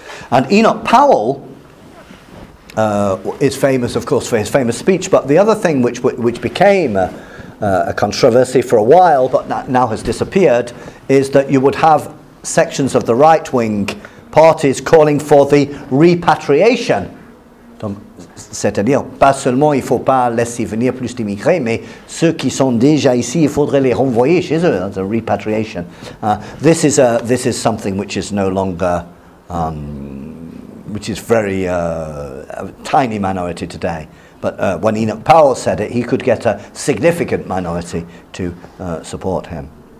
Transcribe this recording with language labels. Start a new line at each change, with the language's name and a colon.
English: And Enoch Powell is famous, of course, for his famous speech, but the other thing which became a controversy for a while, but now has disappeared, is that you would have sections of the right-wing parties calling for the repatriation.
French: C'est-à-dire, pas seulement il ne faut pas laisser venir plus d'immigrés, mais ceux qui sont déjà ici, il faudrait les renvoyer chez eux.
English: That's a repatriation. This is something which is no longer, which is very a tiny minority today. But when Enoch Powell said it, he could get a significant minority to support him.